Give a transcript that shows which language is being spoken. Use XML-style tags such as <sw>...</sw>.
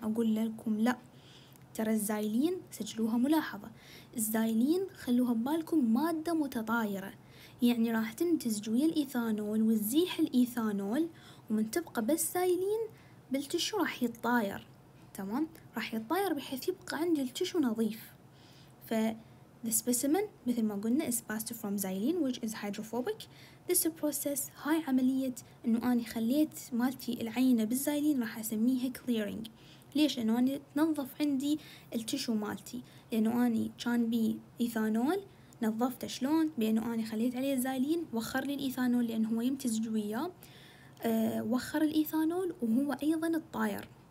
<ar>اقول لكم لا، ترى الزايلين سجلوها ملاحظه، الزايلين خلوها ببالكم ماده متطايره، يعني راح تمتزج ويا الايثانول وتزيح الايثانول، ومن تبقى بس زايلين بالتشو راح يتطاير. تمام، راح يتطاير بحيث يبقى عندي التشو نظيف.</ar> <en>ف the specimen</en> <ar>مثل ما قلنا</ar> <en>is passed from xylene which is hydrophobic. This process،</en> <ar>هاي عملية انه أنا خليت مالتي العينة بالزايلين راح اسميها clearing. ليش؟ لانه أنا تنظف عندي التشو مالتي، لانه أنا كان بي ايثانول نظفته. شلون؟ بانه أنا خليت عليه الزايلين، وخر لي الايثانول لانه هو يمتزج وياه، وخر الايثانول وهو ايضا الطاير.</ar>